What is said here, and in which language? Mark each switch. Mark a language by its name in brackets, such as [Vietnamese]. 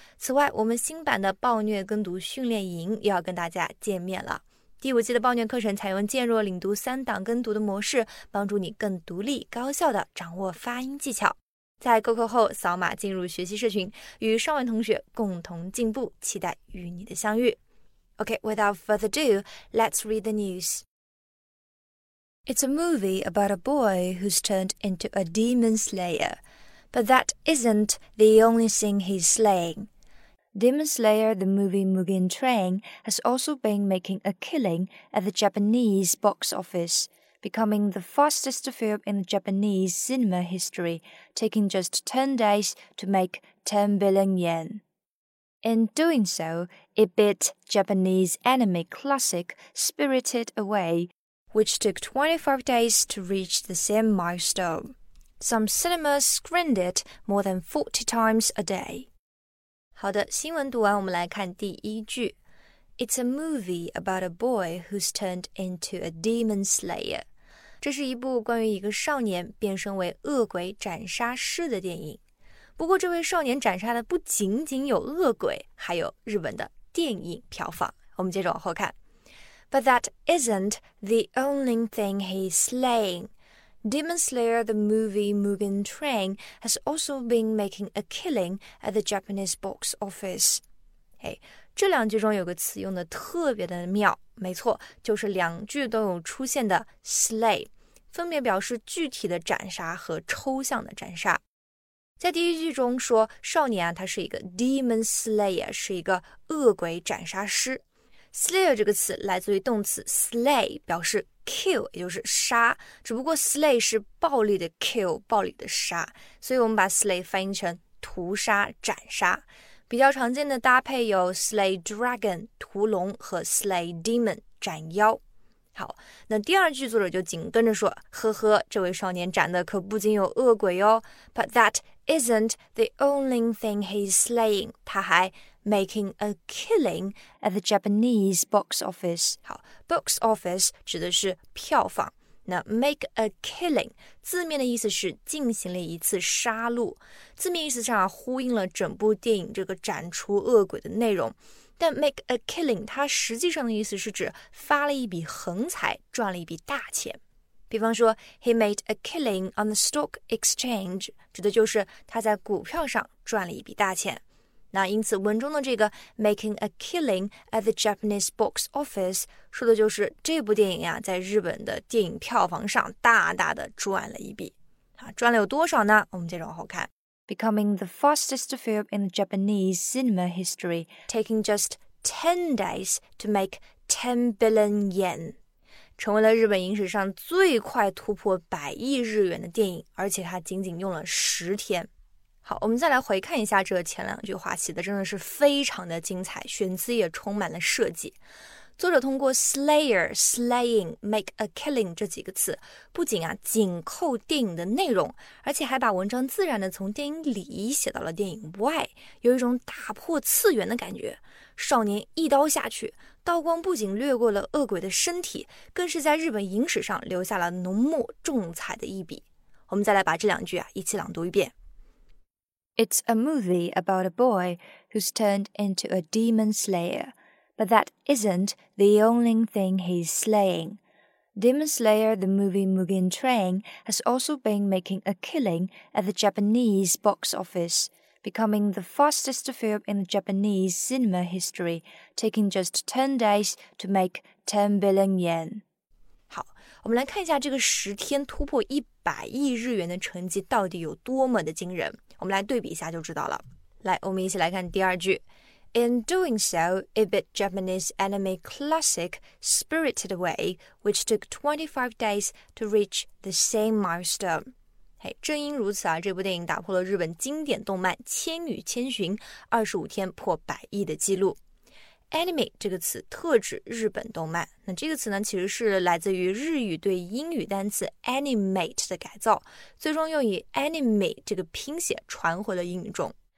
[Chinese] 此外，我们新版的暴虐跟读训练营又要跟大家见面了。第五季的暴虐课程采用渐弱领读三档跟读的模式，帮助你更独立高效地掌握发音技巧。在购课后扫码进入学习社群，与上万同学共同进步，期待与你的相遇。 [English] OK, without further ado, let's read the news. It's a movie about a boy who's turned into a demon slayer. But that isn't the only thing he's slaying. Demon Slayer the movie Mugen Train has also been making a killing at the Japanese box office, becoming the fastest film in Japanese cinema history, taking just 10 days to make 10 billion yen. In doing so, it beat Japanese anime classic Spirited Away, which took 25 days to reach the same milestone. Some cinemas screened it more than 40 times a day. [Chinese] 好的，新闻读完，我们来看第一句。 [English] It's a movie about a boy who's turned into a demon slayer. [Chinese] 这是一部关于一个少年变身为恶鬼斩杀师的电影。不过，这位少年斩杀的不仅仅有恶鬼，还有日本的电影票房。我们接着往后看。 [English] But that isn't the only thing he's slaying. Demon Slayer the movie Mugen Train has also been making a killing at the Japanese box office. [Chinese] 这两句中有个词用的特别的妙，没错，就是两句都有出现的 slay, 分别表示具体的斩杀和抽象的斩杀。在第一句中说少年啊，他是一个 Demon Slayer, 是一个恶鬼斩杀师。 Slayer 这个词来自于动词 slay, 表示kill, 也就是杀，只不过 slay 是暴力的 kill, 暴力的杀，所以我们把 slay 翻译成屠杀、斩杀。比较常见的搭配有 slay dragon, 屠龙和 slay demon, 斩妖。好，那第二句作者就紧跟着说，呵呵，这位少年斩的可不仅有恶鬼哦。 [English] But that isn't the only thing he's slaying, [Chinese] 他还 [English] making a killing at the Japanese box office. [Chinese] 好 ,box office 指的是票房。那 make a killing, 字面的意思是进行了一次杀戮。字面意思上呼应了整部电影这个斩除恶鬼的内容。但 make a killing, 它实际上的意思是指发了一笔横财，赚了一笔大钱。比方说 , [English] he made a killing on the stock exchange, [Chinese] 指的就是他在股票上赚了一笔大钱。那因此文中的这个 [English] making a killing at the Japanese box office [Chinese] 说的就是这部电影啊在日本的电影票房上大大的赚了一笔。啊，赚了有多少呢？我们接着往后看。 [English] Becoming the fastest film in Japanese cinema history, taking just 10 days to make 10 billion yen. [Chinese] 成为了日本影史上最快突破百亿日元的电影，而且它仅仅用了十天。好，我们再来回看一下这前两句话，写的真的是非常的精彩，选词也充满了设计。作者通过 slayer, slaying, make a killing 这几个词，不仅啊紧扣电影的内容，而且还把文章自然的从电影里写到了电影外，有一种打破次元的感觉。少年一刀下去，刀光不仅掠过了恶鬼的身体，更是在日本影史上留下了浓墨重彩的一笔。我们再来把这两句啊一起朗读一遍。 [English] It's a movie about a boy who's turned into a demon slayer. But that isn't the only thing he's slaying. Demon Slayer, the movie Mugen Train, has also been making a killing at the Japanese box office, becoming the fastest film in Japanese cinema history, taking just 10 days to make 10 billion yen. [Chinese] 好，我们来看一下这个十天突破一百亿日元的成绩到底有多么的惊人。我们来对比一下就知道了。来，我们一起来看第二句。 [English] In doing so, it beat Japanese anime classic Spirited Away, which took 25 days to reach the same milestone. [Chinese] Hey, 正因如此啊，这部电影打破了日本经典动漫《千与千寻》25天破百亿的记录。 Anime 这个词特指日本动漫，那这个词呢，其实是来自于日语对英语单词 animate 的改造，最终用以 anime 这个拼写传回了英语中。